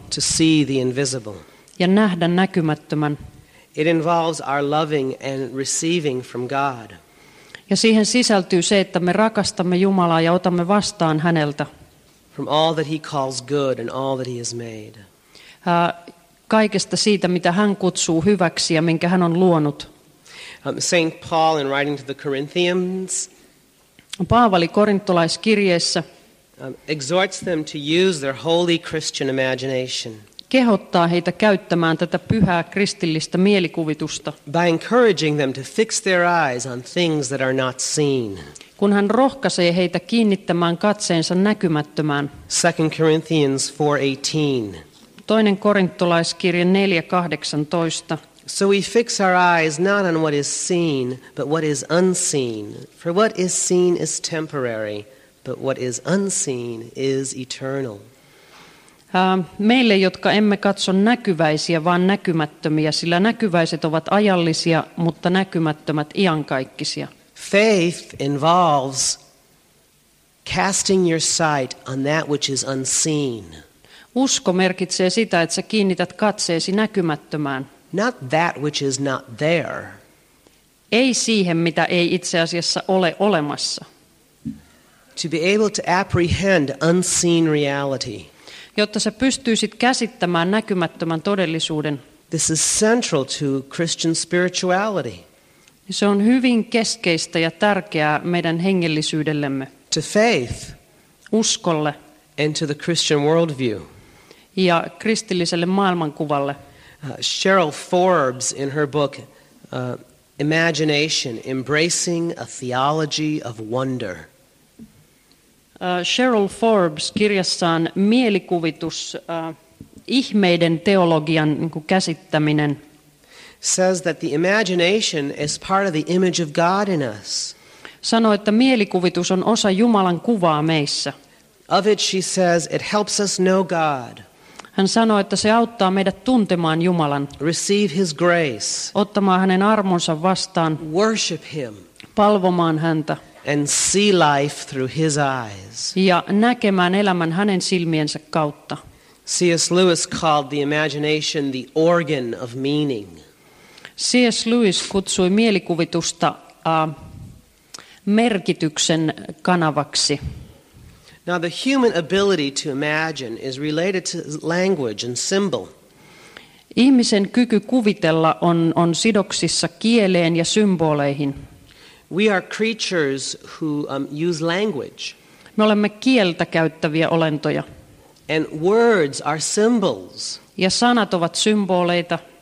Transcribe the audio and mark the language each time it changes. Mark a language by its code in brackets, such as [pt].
[en] To see the invisible. [fi] Ja nähdä näkymättömän. [en] It involves our loving and receiving from God. [fi] Ja siihen sisältyy se, että me rakastamme Jumalaa ja otamme vastaan häneltä. [en] From all that he calls good and all that he has made. [fi] Kaikesta siitä, mitä hän kutsuu hyväksi ja minkä hän on luonut. [en] Saint Paul in writing to the Corinthians. [fi] Paavali korintolaiskirjeessä [en] exhorts them to use their holy Christian imagination. [fi] Kehottaa heitä käyttämään tätä pyhää kristillistä mielikuvitusta. [en] By encouraging them to fix their eyes on things that are not seen. [fi] Kun hän rohkaisee heitä kiinnittämään katseensa näkymättömään. [en] 2 Corinthians 4:18. [fi] Toinen korintolaiskirje 4:18. [en] So we fix our eyes not on what is seen, but what is unseen. For what is seen is temporary, but what is unseen is eternal. [fi] Meille, jotka emme katso näkyväisiä, vaan näkymättömiä, sillä näkyväiset ovat ajallisia, mutta näkymättömät iankaikkisia. [en] Faith involves casting your sight on that which is unseen. [fi] Usko merkitsee sitä, että sä kiinnität katseesi näkymättömään. [en] Not that which is not there. [fi] Ei siihen, mitä ei itse asiassa ole olemassa. [en] To be able to apprehend unseen reality. [fi] Jotta sä pystyisit käsittämään näkymättömän todellisuuden. [en] This is central to Christian spirituality. [fi] Se on hyvin keskeistä ja tärkeää meidän hengellisyydellemme. [en] To faith. [fi] Uskolle. [en] And to the Christian worldview. [fi] Ja kristilliselle maailmankuvalle. [en] Cheryl Forbes in her book Imagination, Embracing a Theology of Wonder. [fi] Cheryl Forbes kirjassaan Mielikuvitus, ihmeiden teologian käsittäminen. [en] says that the imagination is part of the image of God in us. [fi] Sanoo, että mielikuvitus on osa Jumalan kuvaa meissä. [en] Of it, she says, it helps us know God. [fi] Hän sanoo, että se auttaa meidät tuntemaan Jumalan. [en] Receive his grace. [fi] Ottamaan hänen armonsa vastaan. [en] Worship him. [fi] Palvomaan häntä. [en] And see life through his eyes. [fi] Ja näkemään elämän hänen silmiensä kautta. [en] C.S. Lewis called the imagination the organ of meaning. [fi] C.S. Lewis kutsui mielikuvitusta merkityksen kanavaksi. [en] Now the human ability to imagine is related to language and symbol. [fi] Ihmisen kyky kuvitella on sidoksissa kieleen ja symboleihin. [en] We are creatures who use language. [fi] Me olemme kieltä käyttäviä olentoja. [en] And words are symbols. [fi] Ja sanat ovat symboleita.